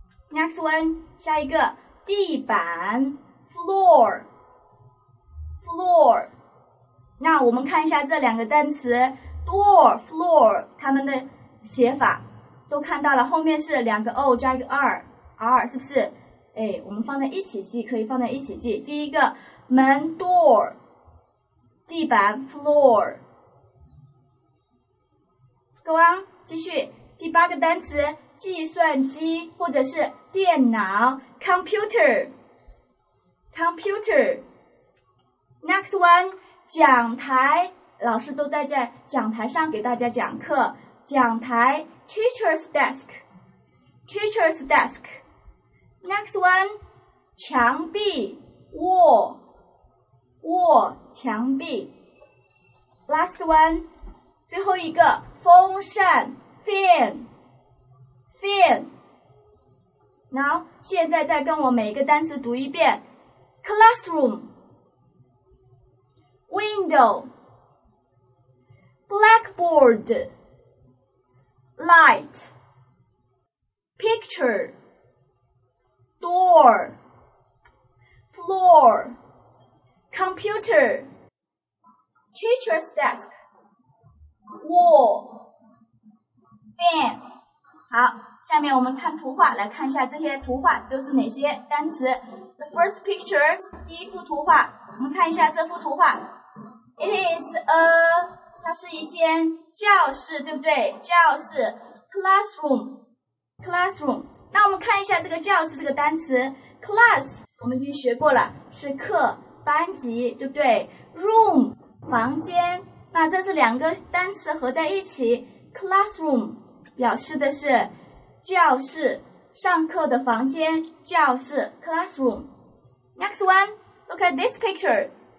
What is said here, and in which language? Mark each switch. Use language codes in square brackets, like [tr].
[en] Next one, [zh] 下一个，地板 ,floor. [en] Floor. [zh] 那我们看一下这两个单词 door, floor, 它们的写法都看到了，后面是两个 O 加一个 R, 是不是？哎，我们放在一起记，可以放在一起记。第一个门 door, 地板 floor. [en] Go on, [zh] 继续。第八个单词计算机或者是电脑 computer, computer. [en] Next one, [zh] 讲台，老师都在讲台上给大家讲课。 [en] 讲台 ,teacher's desk, teacher's desk. Next one, 墙壁 ,wall, 墙壁。 Last one, [zh] 最后一个风扇 ,fan. Now, 现在再跟我每一个单词读一遍。 [en] Classroom. Window, blackboard, light, picture, door, floor, computer, teacher's desk, wall, fan. [zh] 好，下面我们看图画，来看一下这些图画都是哪些单词。 [en] The first picture, [zh] 第一幅图画，我们看一下这幅图画。 [en] It is a, [zh] 它是一间教室，对不对？ [en] 教室 ,classroom, classroom. [zh] 那我们看一下这个教室这个单词 ,class, 我们已经学过了，是课，班级，对不对 ?room, 房间。那这是两个单词合在一起 ,classroom, 表示的是教室，上课的房间，教室 ,classroom. [en] Next one, look at this picture.